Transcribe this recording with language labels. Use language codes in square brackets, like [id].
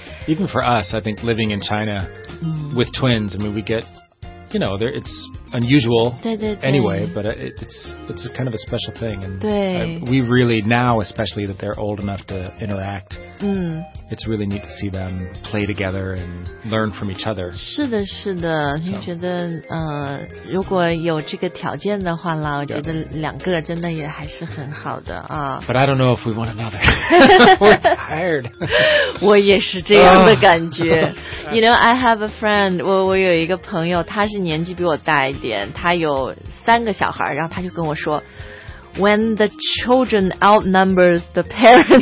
[en] even for us I think living in China、with twins I mean we get you know it's unusual [zh] 对对对 [en] anyway but it's kind of a special thing and [zh] 对 [en] we really now especially that they're old enough to interact、it's really neat to see them play together and learn from each other [zh] 是的是的、so. 你觉得、如果有这个条件的话啦我觉得两个真的也还是很好的、 [en] but I don't know if we want another we're tired [zh] 我也是这样的感觉、 [en] you know [zh] I have a friend 我有一个朋友他是年纪比我大一点他有三个小孩然后他就跟我说 [en] When the children outnumber the parents